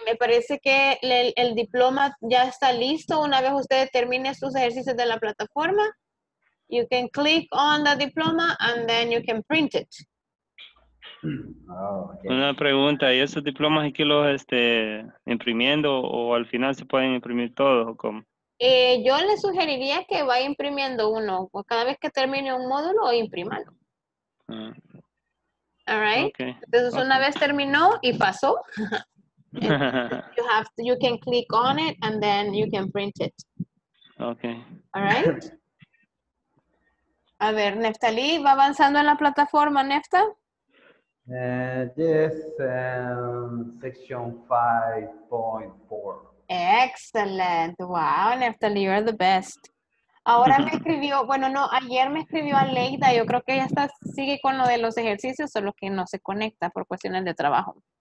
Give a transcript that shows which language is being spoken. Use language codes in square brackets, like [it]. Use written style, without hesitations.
[es] Me parece que el diploma ya está listo una vez ustedes terminen sus ejercicios de la plataforma. [en] You can click on the diploma and then you can print it. Oh, okay. [es] Una pregunta, ¿y esos diplomas hay que los imprimiendo o al final se pueden imprimir todos o cómo? Yo le sugeriría que vaya imprimiendo uno, pues cada vez que termine un módulo, imprímalo. [en] All right. Okay. [es] Entonces, una vez terminó y pasó, [en] You have to, you can click on it and then you can print it. Okay. All right. [es] A ver, Neftali, ¿va avanzando en la plataforma, Nefta? [en] This section 5.4. Excellent. Wow, Neftali, you're the best. [es] Ahora me escribió, bueno, no, ayer me escribió Aleida, yo creo que ya está, sigue con lo de los ejercicios, solo que no se conecta por cuestiones de trabajo.